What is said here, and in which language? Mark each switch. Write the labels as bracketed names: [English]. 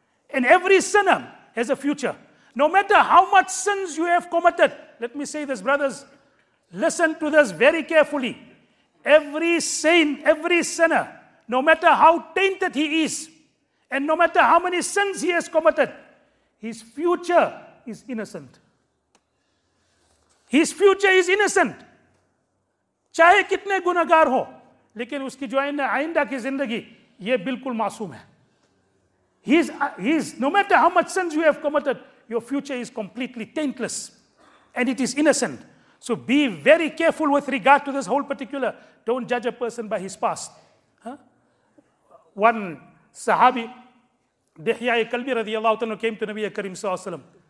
[English] And every sinner has a future. No matter how much sins you have committed, let me say this, brothers, listen to this very carefully. Every saint, every sinner, no matter how tainted he is, and no matter how many sins he has committed, his future is innocent. His future is innocent. [Urdu] چاہے کتنے گناہ گار ہو لیکن اس کی جو آئندہ کی زندگی یہ بالکل معصوم ہے. [English] No matter how much sins you have committed, your future is completely taintless and it is innocent. So be very careful with regard to this whole particular. Don't judge a person by his past. One sahabi, Dihya-e Kalbi [Arabic] رضی اللہ عنہ, [English] came to Nabi Karim [Arabic] صلی اللہ علیہ وسلم.